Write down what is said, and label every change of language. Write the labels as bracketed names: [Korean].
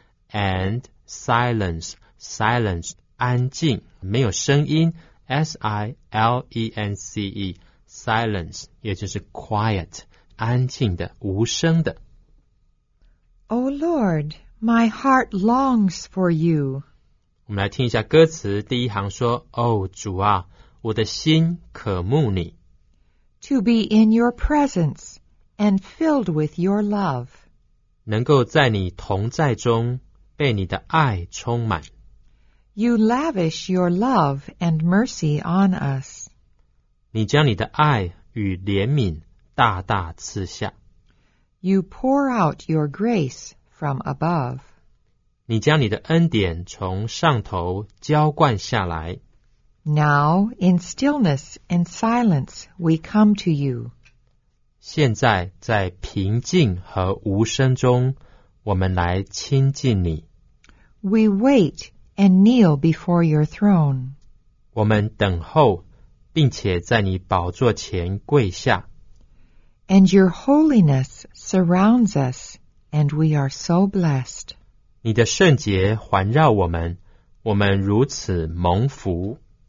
[English] And silence, silence, [Chinese] 安静，没有声音 [English] S-I-L-E-N-C-E, silence, 也就是 quiet, [Chinese] 安静的，无声的。 [English] O Lord, my heart longs for you. [Chinese] 我们来听一下歌词，第一行说 O 主啊，我的心渴慕你。 [English] To be in your presence and filled with your love. [Chinese] 能够在你同在中被你的爱充满。 [English] You lavish your love and mercy on us. [Chinese] 你将你的爱与怜悯大大赐下。 [English] You pour out your grace from above. [Chinese] 你将你的恩典从上头浇灌下来。 [English] Now, in stillness and silence, we come to you. [Chinese] 现在在平静和无声中，我们来亲近你。 [English] We wait and kneel before your throne. [Chinese] 我们等候，并且在你宝座前跪下。 [English] And your holiness surrounds us, and we are so blessed. [Chinese] 你的圣洁环绕我们，我们如此蒙福。